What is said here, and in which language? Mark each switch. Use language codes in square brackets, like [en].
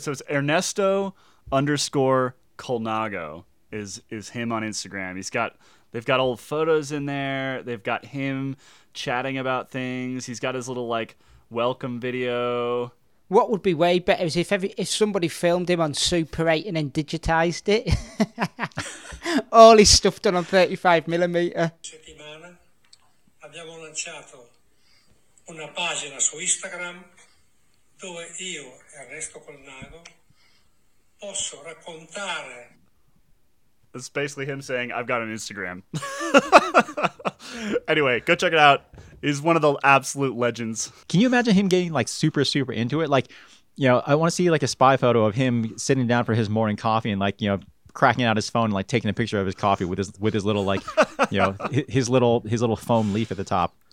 [en] So it's Ernesto_Colnago is him on Instagram. They've got old photos in there. They've got him chatting about things. He's got his little, like, welcome video. What would be way better is if somebody filmed him on Super 8 and then digitized it. All his stuff done on 35mm. [it] Settimana abbiamo lanciato una pagina su Instagram dove io e Ernesto Colnago posso raccontare. [en] It's basically him saying, I've got an Instagram. Anyway, go check it out. He's one of the absolute legends. Can you imagine him getting like super, super into it? Like, you know, I want to see like a spy photo of him sitting down for his morning coffee and like, you know, cracking out his phone and like taking a picture of his coffee with his little like, you know, his little foam leaf at the top.